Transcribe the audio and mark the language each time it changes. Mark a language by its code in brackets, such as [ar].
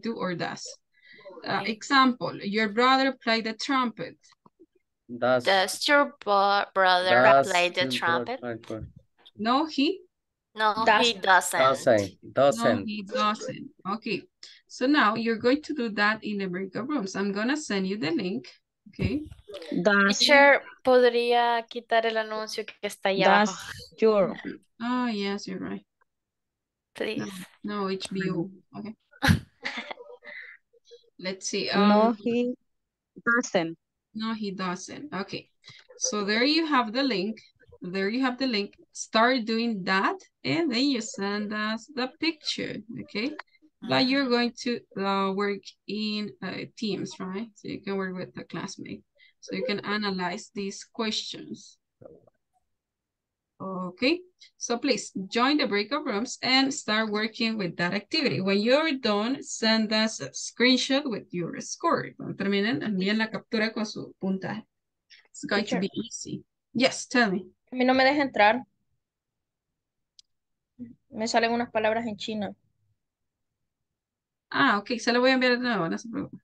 [en] Do or does. Example, your brother played the trumpet. Does your brother play the trumpet? No, he doesn't. Okay, so now you're going to do that in the breakout rooms. I'm gonna send you the link. Okay. [es] Teacher, podría quitar el anuncio que está allá. [en] Oh yes, you're right. Please. No, no HBO. Okay. Let's see. No, he doesn't. No, he doesn't. Okay. So there you have the link. There you have the link. Start doing that. And then you send us the picture. Okay. But you're going to work in teams, right? So you can work with the classmate. So you can analyze these questions. Okay. So please join the breakout rooms and start working with that activity. When you're done, send us a screenshot with your score. [es] Cuando terminen, envíen la captura con su puntaje. [en] It's going to be easy. Yes, tell me. [es] A mí no me deja entrar. Me salen unas palabras en chino. [en] Ah, okay. [es] Se lo voy a enviar de nuevo. No se preocupe.